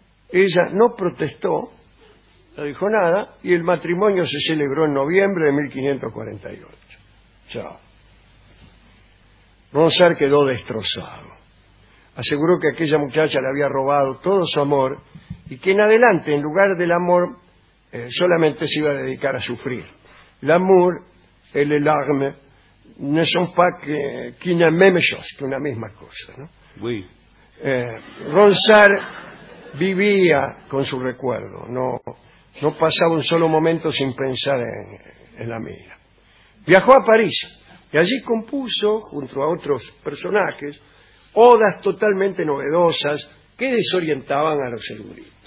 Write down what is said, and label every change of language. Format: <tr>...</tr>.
<es>Ella no protestó, no dijo nada, y el matrimonio se celebró en noviembre de 1548. Chao. Ronsard quedó destrozado. Aseguró que aquella muchacha le había robado todo su amor y que en adelante, en lugar del amor, solamente se iba a dedicar a sufrir.</es> <fr>L'amour et les larmes ne sont pas qu'une même chose,</fr> <es>que una misma cosa, ¿no?</es> <fr>Oui.</fr> <es>Ronsard vivía con su recuerdo, no pasaba un solo momento sin pensar en la mía. Viajó a París y allí compuso, junto a otros personajes, odas totalmente novedosas que desorientaban a los eruditos.</es>